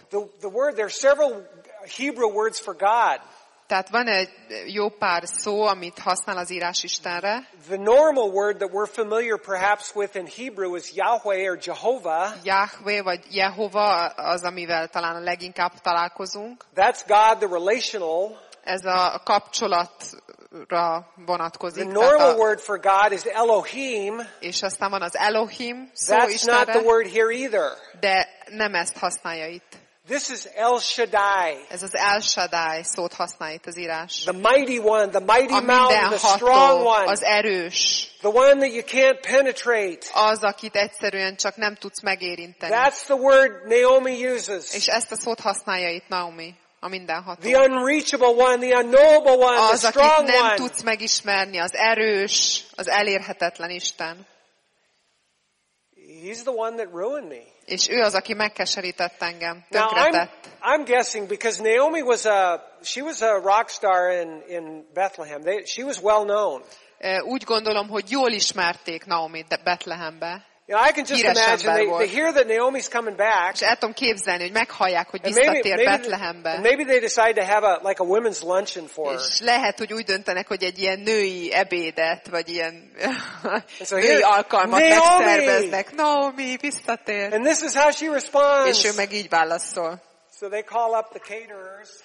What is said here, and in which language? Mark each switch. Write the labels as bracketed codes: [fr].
[en] The word, there are several Hebrew words for God. [hu] Tehát van egy jó pár szó, amit használ az írás Istenre. [en] The normal word that we're familiar perhaps with in Hebrew is Yahweh or Jehovah. [hu] Yahweh vagy Jehovah az, amivel talán a leginkább találkozunk. [en] That's God, the relational. [hu] Ez a kapcsolat. Vonatkozik. [en] The normal word for God is Elohim. [hu] És aztán van az Elohim szó. [en] That's [hu] Istenre, [en] not the word here either. [hu] De nem ezt használja itt. [en] This is El Shaddai. [hu] Ez az El Shaddai szót használja itt az írás. [en] The mighty one, the mighty mountain, the strong one. [hu] Az erős. [en] The one that you can't penetrate. [hu] Az, akit egyszerűen csak nem tudsz megérinteni. [en] That's the word Naomi uses. [hu] És ezt a szót használja itt Naomi. A mindenható. [en] The unreachable one, the unknowable one, [hu] az, [en] the strong one. [hu] Az, akit nem tudsz megismerni, az erős, az elérhetetlen Isten. [en] He's the one that ruined me. [hu] És ő az, aki megkeserített engem, tönkretett. [en] Now I'm guessing because Naomi was a rock star in Bethlehem. She was well known. [hu] Úgy gondolom, hogy jól ismerték Naomit Bethlehembe. [en] You know, I can just [hu] híres [en] imagine they hear that Naomi's coming back. [hu] És el tudom képzelni, hogy meghallják, hogy visszatér Betlehembe. [en] Maybe they decide to have a women's luncheon for her. [hu] És lehet, hogy úgy döntenek, hogy egy ilyen női ebédet vagy ilyen so női alkalmat megszerveznek. Naomi, visszatér. [en] And this is how she responds. [hu] És ő meg így válaszol. [en] So they call up the caterers.